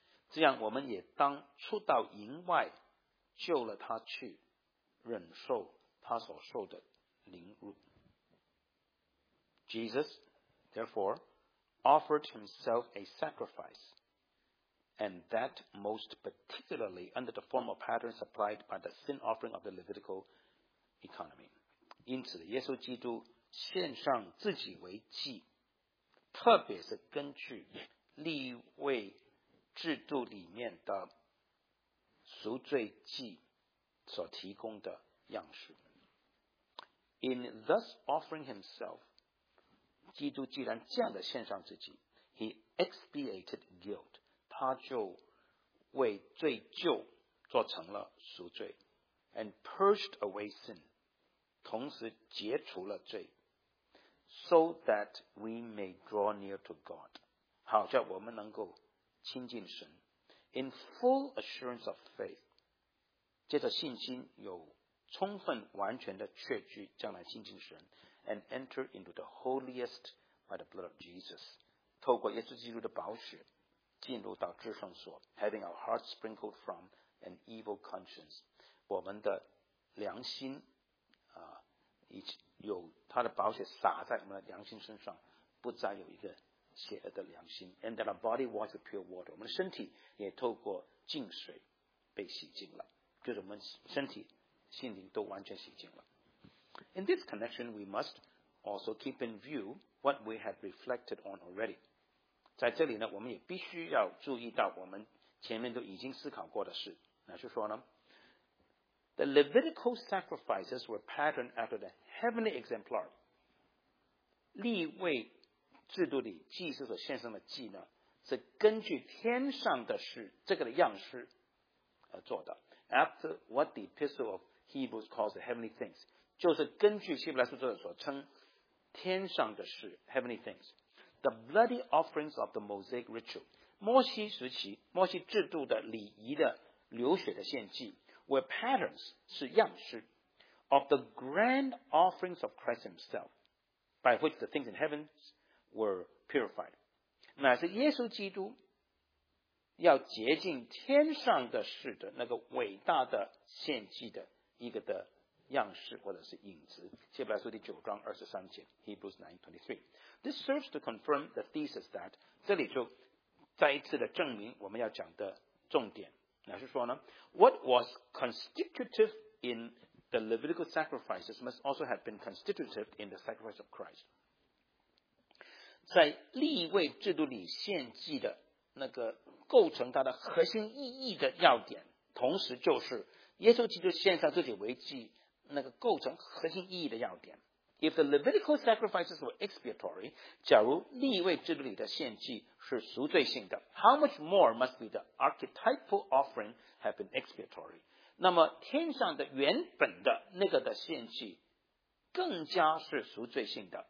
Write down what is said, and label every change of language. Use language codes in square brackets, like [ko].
[zh] 这样我们也当出到营外，救了他去，忍受他所受的凌辱。 [en] Jesus, therefore, offered himself a sacrifice. And that most particularly under the form of pattern supplied by the sin offering of the Levitical economy. [zh] 因此耶稣基督献上自己为祭特别是根据立位制度里面的赎罪祭所提供的样式。 [en] In thus offering himself, [zh] 基督既然这样的献上自己 [en] he expiated guilt. [zh] 他就为罪疚做成了赎罪 [en] and purged away sin [zh] 同时解除了罪 [en] so that we may draw near to God [zh] 好叫我们能够亲近神 [en] in full assurance of faith [zh] 借着信心有充分完全的确据将来信心的神 [en] and enter into the holiest by the blood of Jesus， [zh] 透过耶稣基督的宝血进入到至圣所， [en] having our hearts sprinkled from an evil conscience， [zh] 我们的良心以及有他的宝血洒在我们的良心身上，不再有一个邪恶的良心。 [en] And that our body was with pure water， [zh] 我们的身体也透过净水被洗净了，就是我们身体心灵都完全洗净了。 [en] In this connection we must also keep in view what we have reflected on already， [zh] 在这里呢我们也必须要注意到我们前面都已经思考过的事。那就说呢， [en] The Levitical sacrifices were patterned after the heavenly exemplar， [zh] 立位制度里祭司所献上的祭呢是根据天上的事这个的样式而做的。 [en] After what the epistle of Hebrews calls the heavenly things， [zh] 就是根据希伯来书作者所称天上的事 [en] heavenly things， The bloody offerings of the Mosaic ritual， [zh] 摩西时期摩西制度的礼仪的流血的献祭 [en] were patterns， [zh] 是样式 [en] of the grand offerings of Christ himself， by which the things in heaven were purified， [zh] 乃是耶稣基督要洁净天上的事的那个伟大的献祭的一个的样式或者是影子。希伯来书第九章二十三节 [en] Hebrews 9:23 This serves to confirm the thesis that， [zh] 这里就再一次的证明我们要讲的重点。那是说呢， [en] What was constitutive in the Levitical sacrifices must also have been constitutive in the sacrifice of Christ。 [zh] 在立位制度里献祭的那个构成它的核心意义的要点，同时就是耶稣基督献上自己为祭那个构成核心意义的要点。 [en] If the Levitical sacrifices were expiatory， [zh] 假如立位制度里的献祭是赎罪性的， [en] How much more must be the archetypal offering have been expiatory， [zh] 那么天上的原本的那个的献祭更加是赎罪性的。